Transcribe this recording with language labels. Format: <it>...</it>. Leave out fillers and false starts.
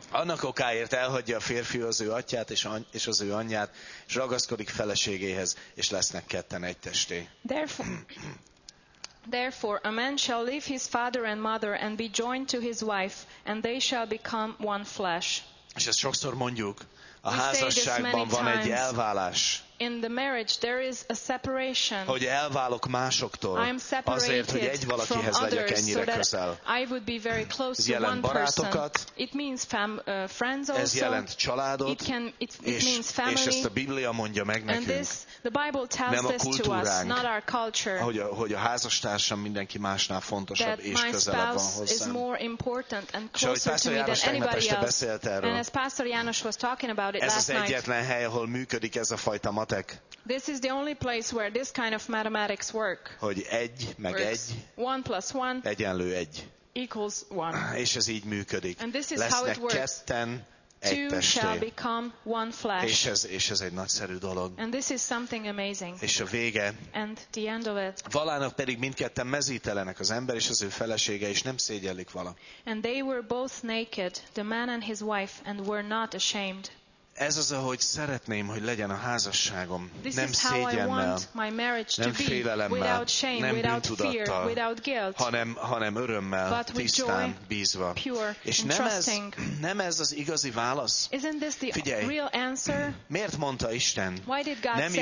<hu>Annak okáért elhagyja a férfi az ő atyát és az ő anyját, és ragaszkodik feleségéhez, és lesznek ketten egy testé.</hu> <en>Therefore, a man shall leave his father and mother and be joined to his wife, and they shall become one flesh.</en> <hu>És ezt sokszor mondjuk, a házasságban van egy elválás.</hu> <en>In the marriage there is a separation.</en> <hu>Hogy elválok másoktól, azért, hogy egy valakihez legyek ennyire közel.</hu> <en>I would be very close to one</en> <hu>barátokat,</hu> <en>person. It means friends also.</en> <hu>Ez jelent családot.</hu> <en>It can, it, it means family.</en> <hu>És ezt a Biblia mondja meg nekünk.</hu> <en>And this, the Bible tells</en> <hu>nem a kultúránk,</hu> <en>us, not our culture.</en> <hu>Hogy a házastársam mindenki másnál fontosabb és közelebb van hozzám.</hu> <en>Is more important and closer to me than anybody else. And as Pastor János was talking about it last night.</en> <hu>Ez az egyetlen hely, ahol működik ez a fajta matek.</hu> <en>This is the only place where this kind of mathematics work.</en> <hu>Hogy egy meg egy.</hu> <en>One plus one.</en> <hu>Egyenlő egy.</hu> <en>Equals one.</en> <hu>És ez így működik.</hu> <en>And this is how it works.</en> <hu>Lesznek ketten egy testé.</hu> <en>Two shall become one flesh.</en> <hu>És ez egy nagyszerű dolog.</hu> <en>And this is something amazing.</en> <hu>És a vége.</hu> <en>And the end of it.</en> <hu>Valának pedig mindketten mezítelenek az ember és az ő felesége, és nem szégyellik vala.</hu> <en>And they were both naked, the man and his wife, and were not ashamed.</en> <hu>Ez az, ahogy szeretném, hogy legyen a házasságom. This nem szégyennel, nem félelemmel,</hu> <en>shame,</en> <hu>nem bűntudattal,</hu> <en>guilt,</en> <hu>hanem örömmel, tisztán,</hu> <en>joy,</en> <hu>bízva.</hu> <en>Pure,</en> <hu>és nem ez az igazi válasz? Figyelj, miért mondta Isten, nem jó</hu>